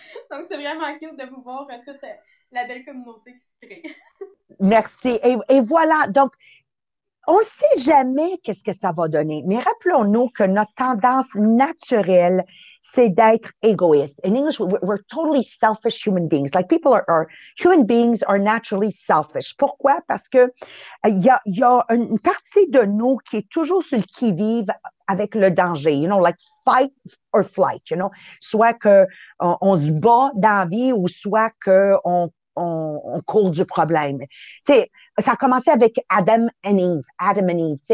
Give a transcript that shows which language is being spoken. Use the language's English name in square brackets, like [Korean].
[French] Donc, c'est vraiment cute de vous voir toute la belle communauté qui se crée. Merci. Et voilà. Donc, on ne sait jamais qu'est-ce que ça va donner. Mais rappelons-nous que notre tendance naturelle, c'est d'être égoïste. [English] In English, we're totally selfish human beings. Like people are human beings are naturally selfish. [French] Pourquoi? Parce que y a une partie de nous qui est toujours celle qui vive avec le danger. [English] You know, like fight or flight. You know, [French] soit que on se bat dans la vie ou soit que on court du problème. Tu sais, ça a commencé avec Adam and Eve.